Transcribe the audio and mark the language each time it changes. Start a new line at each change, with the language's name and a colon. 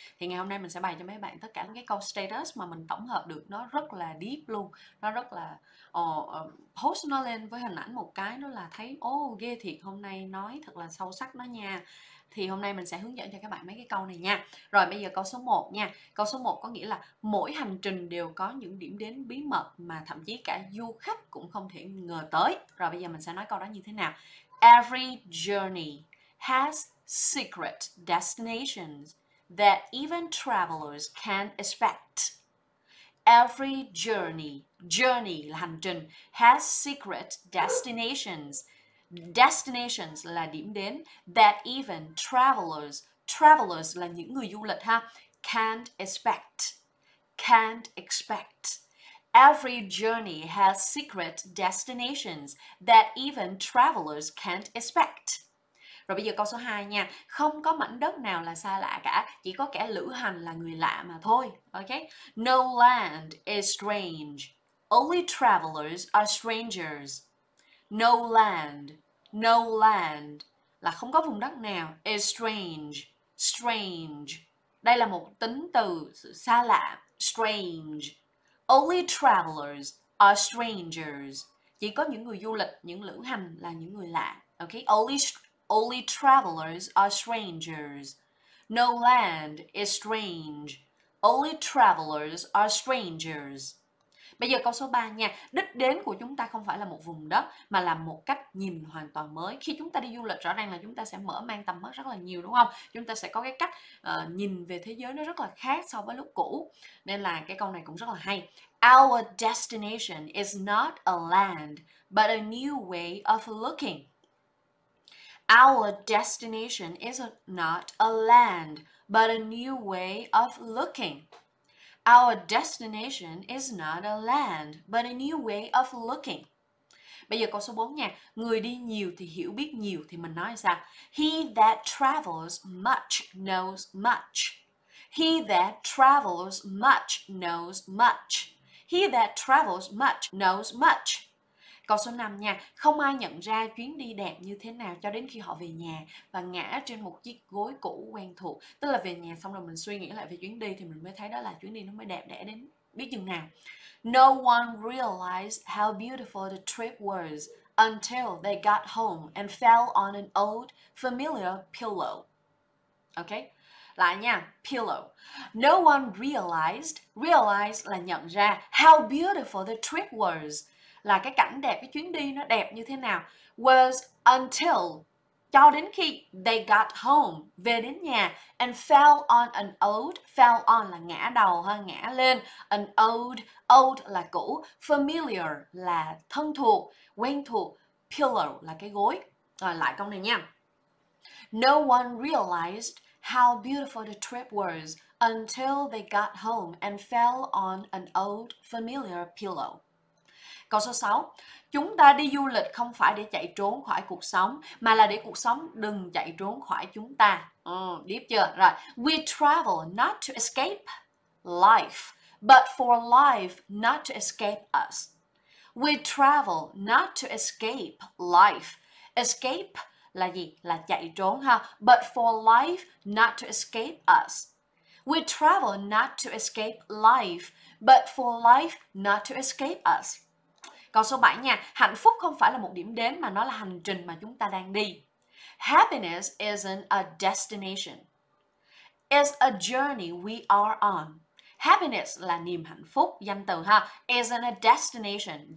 Vietnamese: Thì ngày hôm nay mình sẽ bày cho mấy bạn tất cả những cái câu status mà mình tổng hợp được nó rất là deep luôn, nó rất là post nó lên với hình ảnh một cái nó là thấy ghê thiệt, hôm nay nói thật là sâu sắc đó nha. Thì hôm nay mình sẽ hướng dẫn cho các bạn mấy cái câu này nha. Rồi bây giờ câu số 1 nha. Câu số 1 có nghĩa là mỗi hành trình đều có những điểm đến bí mật mà thậm chí cả du khách cũng không thể ngờ tới. Rồi bây giờ mình sẽ nói câu đó như thế nào.
English: Every journey has secret destinations that even travelers can't expect. Every journey, journey
Vietnamese: là hành trình,
English: has secret destinations.
Vietnamese: Destinations là điểm đến
English: that even travelers,
Vietnamese: travelers là những người du lịch ha,
English: can't expect. Can't expect. Every journey has secret destinations that even travelers can't expect.
Vietnamese: Rồi bây giờ câu số 2 nha. Không có mảnh đất nào là xa lạ cả, chỉ có kẻ lữ hành là người lạ mà thôi.
English: Okay? No land is strange. Only travelers are strangers. No land. No land
Vietnamese: là không có vùng đất nào.
English: Is strange. Strange.
Vietnamese: Đây là một tính từ xa lạ. Strange.
English: Only travelers are strangers.
Vietnamese: Chỉ có những người du lịch, những lữ hành là những người lạ.
English: Okay? Only travelers are strangers. No land is strange. Only travelers are strangers.
Vietnamese: Bây giờ câu số 3 nha. Đích đến của chúng ta không phải là một vùng đất mà là một cách nhìn hoàn toàn mới. Khi chúng ta đi du lịch rõ ràng là chúng ta sẽ mở mang tầm mắt rất là nhiều đúng không? Chúng ta sẽ có cái cách nhìn về thế giới nó rất là khác so với lúc cũ. Nên là cái câu này cũng rất là hay.
English: Our destination is not a land but a new way of looking. Our destination is not a land, but a new way of looking. Our destination is not a land, but a new way of looking.
Vietnamese: Bây giờ câu số 4 nha. Người đi nhiều thì hiểu biết nhiều thì mình nói sao?
English: He that travels much knows much. He that travels much knows much. He that travels much knows much.
Vietnamese: Câu số 5 nha, không ai nhận ra chuyến đi đẹp như thế nào cho đến khi họ về nhà và ngã trên một chiếc gối cũ quen thuộc. Tức là về nhà xong rồi mình suy nghĩ lại về chuyến đi thì mình mới thấy đó là chuyến đi nó mới đẹp đẽ đến biết chừng nào.
English: No one realized how beautiful the trip was until they got home and fell on an old familiar pillow. Okay?
Vietnamese: Lại nha,
English: pillow. No one realized, realized
Vietnamese: là nhận ra
English: how beautiful the trip was.
Vietnamese: Là cái cảnh đẹp, cái chuyến đi nó đẹp như thế nào.
English: Was until,
Vietnamese: cho đến khi
English: they got home,
Vietnamese: về đến nhà.
English: And fell on an old, fell on
Vietnamese: là ngã đầu ha, ngã lên.
English: An old, old
Vietnamese: là cũ. Familiar là thân thuộc, quen thuộc. Pillow là cái gối. Rồi lại câu này nha.
English: No one realized how beautiful the trip was until they got home and fell on an old familiar pillow.
Vietnamese: Câu số 6. Chúng ta đi du lịch không phải để chạy trốn khỏi cuộc sống, mà là để cuộc sống đừng chạy trốn khỏi chúng ta. Deep chưa? Rồi.
English: We travel not to escape life, but for life not to escape us. We travel not to escape life. Escape
Vietnamese: là gì? Là chạy trốn ha.
English: But for life not to escape us. We travel not to escape life, but for life not to escape us.
Vietnamese: Câu số 7 nha, hạnh phúc không phải là một điểm đến mà nó là hành trình mà chúng ta đang đi.
English: Happiness isn't a destination. It's a journey we are on.
Vietnamese: Happiness là niềm hạnh phúc, danh từ ha.
English: Isn't a destination.